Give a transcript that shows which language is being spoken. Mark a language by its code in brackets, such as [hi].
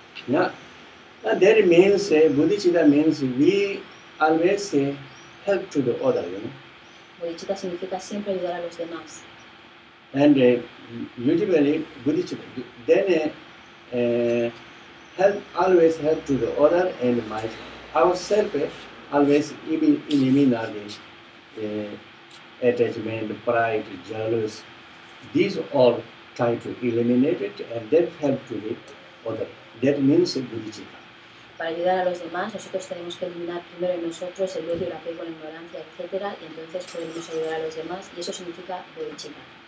[en] Now that means, bodhicitta means we always help to the other, you know. [es] Bodhicitta significa siempre ayudar a los demás. [en] And usually bodhicitta, then help to the other and myself. Ourselves always eliminate attachment, pride, jealous, these all try to eliminate it and then help to the other. That means bodhicitta. [es] Para ayudar a los demás, nosotros tenemos que eliminar primero en nosotros el odio, el apego, la ignorancia, etc. Y entonces podemos ayudar a los demás, y eso significa bodhicitta.